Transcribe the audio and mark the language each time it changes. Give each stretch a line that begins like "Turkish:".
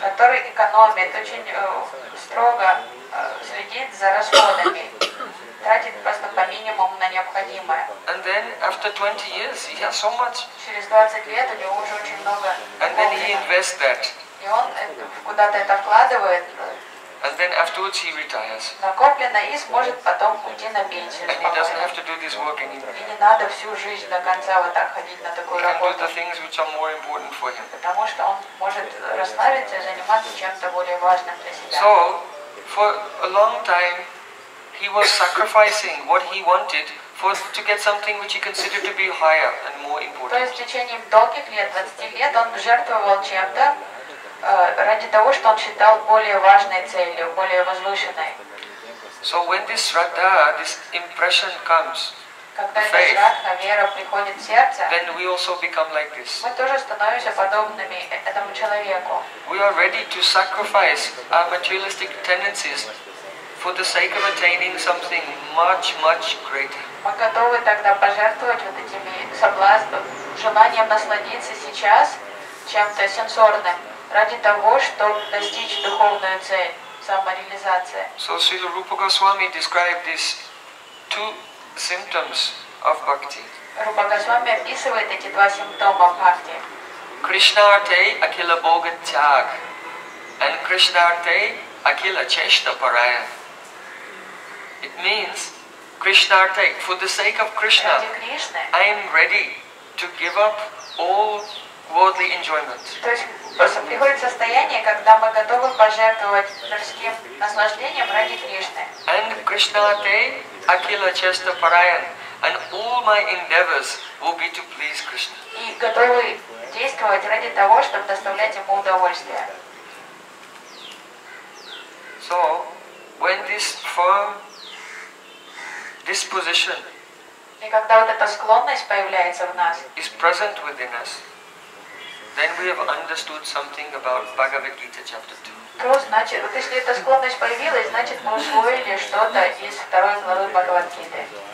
Russian: Который экономит, очень строго следит за расходами. Тратит просто по минимуму на необходимое.
English: And then after 20 years he has so much.
Russian: Через 20 лет у него уже очень много.
English: And then he invests that.
Russian: И он куда-то это вкладывает.
English: And then afterwards he retires.
Russian: Накоплено и сможет потом уйти на пенсию.
English: And he doesn't have to do this work anymore.
Russian: И не надо всю жизнь до конца вот так ходить на такую работу.
English: He can do the things which are more important for him.
Russian: Потому что он может расслабиться и заниматься чем-то более важным для себя.
English: So, for a long time, he was sacrificing what he wanted for to get something which he considered to be higher and more important.
Russian: То есть в течение долгих лет, 20 лет, он жертвовал чем-то, ради того, что он считал более важной целью, более возвышенной.
English: So when this sraddha, this impression comes,
Russian: когда эта сраддха, вера приходит в сердце,
English: then we also become like this.
Russian: Мы тоже становимся подобными этому человеку.
English: We are ready to sacrifice our materialistic tendencies for the sake of attaining something much, much greater.
Russian: Мы готовы тогда пожертвовать вот этими соблазнами, желанием насладиться сейчас чем-то сенсорным. Ради того, чтобы достичь духовную цель, самореализация.
English: So Srila Rupa Goswami described these two symptoms of bhakti.
Russian: Rupa Goswami описывает эти два симптома бхакти.
Sanskrit: Krishna arthe akhila bhoga tyaga and Krishna arthe akhila jesta parayana.
English: It means Krishna arthe, for the sake of Krishna, I am ready to give up all worldly enjoyment.
Russian: Просто приходит состояние, когда мы готовы пожертвовать мирским наслаждением ради Кришны.
English: And
Sanskrit: Krishna arthe akhila jesta parayana,
English: and all my endeavors will be to please Krishna.
Russian: И готовы действовать ради того, чтобы доставлять ему удовольствие.
English: So, when this firm disposition
Russian: и когда вот эта склонность появляется в нас,
English: is present within us, then we have understood something about Bhagavad-Gita chapter 2.
Russian: То значит, вот если эта склонность появилась, значит мы усвоили что-то из второй главы Бхагавад-Гиты.